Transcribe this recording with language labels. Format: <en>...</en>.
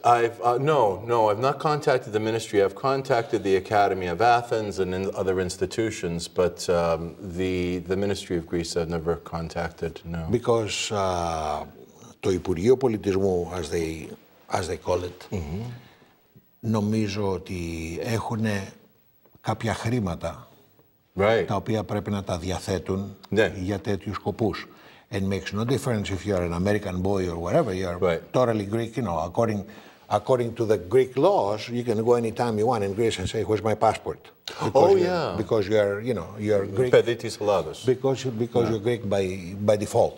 <en>I've not contacted the ministry. I've contacted the Academy of Athens and other institutions, but the Ministry of Greece I've never contacted, no. Because</en> <el>το Υπουργείο Πολιτισμού,</el> <en>as they call it, mm-hmm.</en> <el>νομίζω ότι έχουν κάποια χρήματα</el> <en>right.</en> <el>τα οποία πρέπει να τα διαθέτουν</el> <en>yeah.</en> <el>για τέτοιους σκοπούς.</el> <en>And makes no difference if you are an American boy or whatever, you are right. totally Greek, you know, according to the Greek laws, you can go anytime you want in Greece and say, "Where's my passport?" Because because you are, you know, you are Greek. Pedetis Helados. Because you're Greek by default.</en>